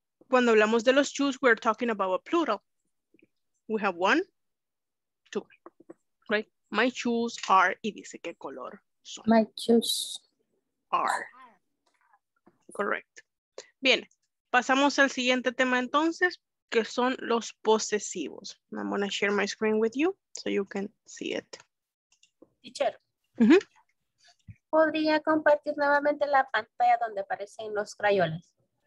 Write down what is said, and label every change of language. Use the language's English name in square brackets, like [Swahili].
[Spanish] Cuando hablamos de los shoes, [English] we're talking about a plural. We have one, two, right? My shoes are, [Spanish] y dice qué color son. [English] My shoes are. Correct. [Spanish] Bien, pasamos al siguiente tema entonces, que son los posesivos. [English] I'm going to share my screen with you so you can see it. Teacher. Mm-hmm. [Spanish] ¿Podría compartir nuevamente la pantalla donde aparecen los crayones?